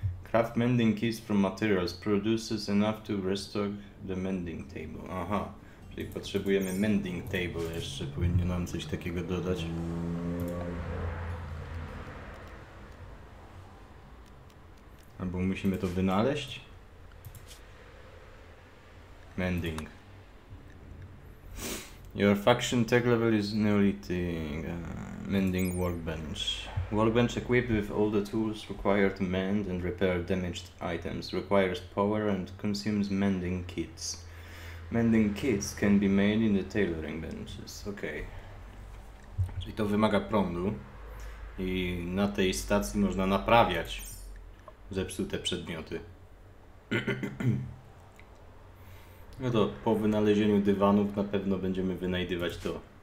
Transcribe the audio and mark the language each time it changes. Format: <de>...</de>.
<en>Craft mending kits from materials produces enough to restock the mending table.</en> <pl>Aha, czyli potrzebujemy mending table jeszcze, powinno nam coś takiego dodać. Albo musimy to wynaleźć.</pl> <en>Mending. Your faction tech level is neolithic. Mending workbench. Workbench equipped with all the tools required to mend and repair damaged items. Requires power and consumes mending kits. Mending kits can be made in the tailoring benches.</en> <pl>Okay. Czyli to wymaga prądu. I na tej stacji można naprawiać zepsute przedmioty. No to po wynalezieniu dywanów na pewno będziemy wynajdywać to.</pl>